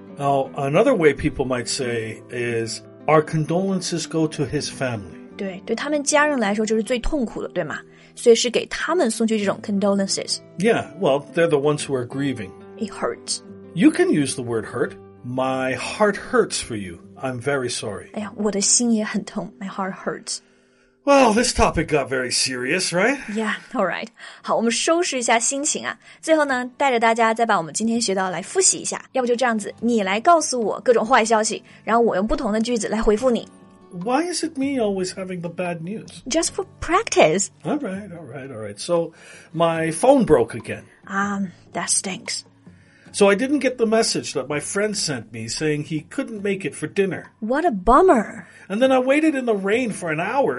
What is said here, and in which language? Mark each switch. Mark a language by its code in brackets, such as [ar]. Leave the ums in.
[en] Now another way people might say is our condolences go to his family. [zh] 对，对他们家人来说就是最痛苦的，对吗？所以是给他们送去这种 condolences。 [en] Yeah, well, they're the ones who are grieving. It hurts. You can use the word hurt. My heart hurts for you. I'm very sorry. [zh] 哎呀，我的心也很痛。 [en] My heart hurts. Well, this topic got very serious, right? Yeah, all right. [zh] 好，我们收拾一下心情啊。最后呢，带着大家再把我们今天学到来复习一下。要不就这样子，你来告诉我各种坏消息，然后我用不同的句子来回复你。 [en] why is it me always having the bad news? Just for practice. All right, all right, all right. So my phone broke again. Um, that stinks. So I didn't get the message that my friend sent me saying he couldn't make it for dinner. What a bummer. And then I waited in the rain for an hour